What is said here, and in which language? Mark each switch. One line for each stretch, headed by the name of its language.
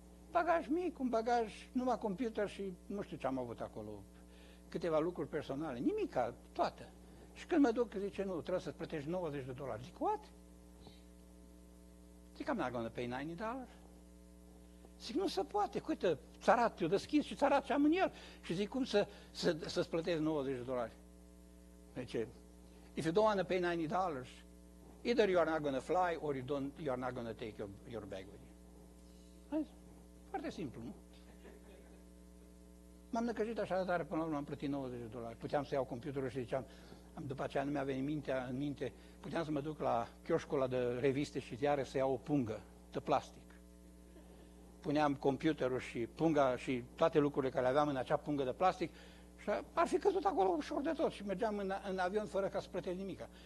Romanian: Bagaj mic, un bagaj, numai computer și nu știu ce am avut acolo, câteva lucruri personale, nimica, toată. Și când mă duc, zice, nu, trebuie să-ți plătești $90. Zic,
English: what?
Romanian: Zic,
English: I'm not going to pay $90.
Romanian: Zic, nu se poate, uite, țarat, eu deschis și țarat ce am în el. Și zic, cum să-ți plătești $90? Zice,
English: if you don't want to pay $90, either you are not going to fly or you are not going to take your bag with you.
Romanian: Azi? Foarte simplu, nu? M-am năcăjit așa de tare, până la urmă am plătit $90. Puteam să iau computerul și ziceam, după aceea nu mi-a venit în minte, puteam să mă duc la chioșcul ăla de reviste și ziare să iau o pungă de plastic. Puneam computerul și punga și toate lucrurile care aveam în acea pungă de plastic și ar fi căzut acolo ușor de tot și mergeam în avion fără ca să plătesc nimic.